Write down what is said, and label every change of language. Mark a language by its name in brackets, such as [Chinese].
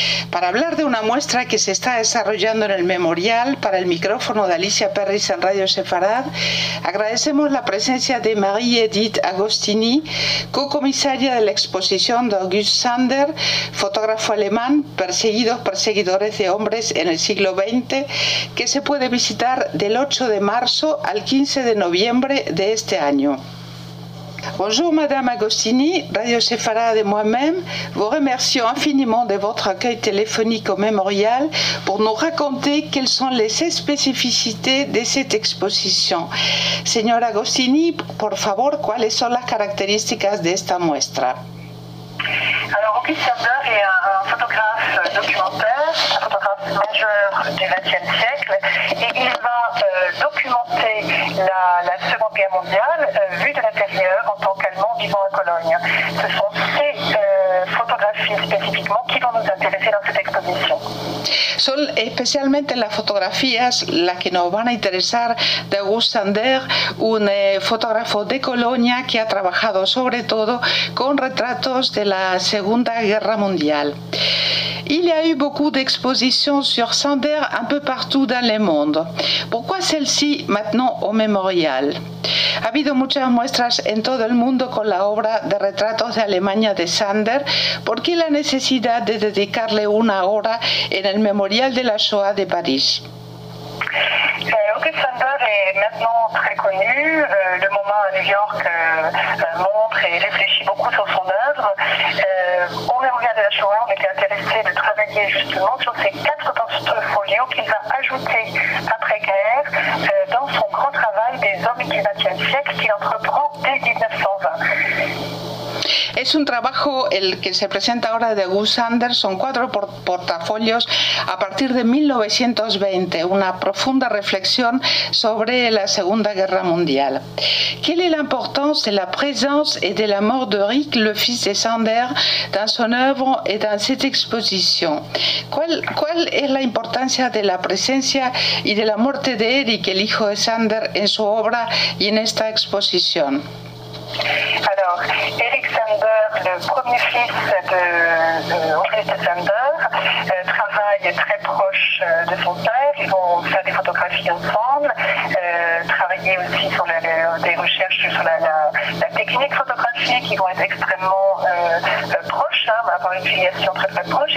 [Spanish] Para hablar de una muestra que se está desarrollando en el memorial, para el micrófono de Alicia Perris en Radio Sefarad, agradecemos la presencia de Marie-Edith Agostini, co-comisaria de la exposición de August Sander, fotógrafo alemán, perseguidores de hombres en el siglo XX, que se puede visitar del 8 de marzo al 15 de noviembre de este año. [French] Bonjour Madame Agostini, Radio Sefarad et moi-même vous remercions infiniment de votre accueil téléphonique au mémorial pour nous raconter quelles sont les spécificités de cette exposition. [Spanish] Señora Agostini, por favor, ¿cuáles son las características de esta muestra? [French] Alors, August Sander est un photographe documentaire, un photographe majeur du XXe siècle, et il va documenter la Seconde Guerre mondiale vue de l'intérieur en tant qu'Allemand vivant à Cologne. Ce sont ces photographies spécifiquement qui vont nous intéresser dans cette exposition. [Spanish] Son especialmente las fotografías las que nos van a interesar de August Sander, un fotógrafo de Colonia que ha trabajado sobre todo con retratos de la Segunda Guerra Mundial. [French] Il y a eu beaucoup d'expositions sur Sander un peu partout dans le monde. Pourquoi celle-ci maintenant au mémorial? [Spanish] Ha habido muchas muestras en todo el mundo con la obra de retratos de Alemania de Sander. ¿Por qué la necesidad de dedicarle una hora en el Memorial de la Shoah de París? [French] August Sander est maintenant très connu. Le MoMA à New York montre et réfléchit beaucoup sur son œuvre. Au Mémorial de la Shoah, on était intéressé de travailler justement sur ces quatre portfolios qu'il va ajouter après-guerre dans son grand travail des hommes du XXe siècle qu'il entreprend dès 1920. [Spanish] Es un trabajo el que se presenta ahora de August Sander, son cuatro portafolios a partir de 1920, una profunda reflexión sobre la Segunda Guerra Mundial. ¿Cuál es la importancia de la presencia y de la muerte de Rick, el hijo de Sander, en su obra y en esta exposición? ¿Cuál es la importancia de la presencia y de la muerte de Eric, el hijo de Sander, en su obra y en esta exposición? [French] Alors, Eric Sander, le premier fils de Henri Sander, travaille très proche de son père. Ils vont faire des photographies ensemble, travailler aussi sur des recherches sur la technique photographique qui vont être extrêmement proches, hein, avoir une filiation très très proche.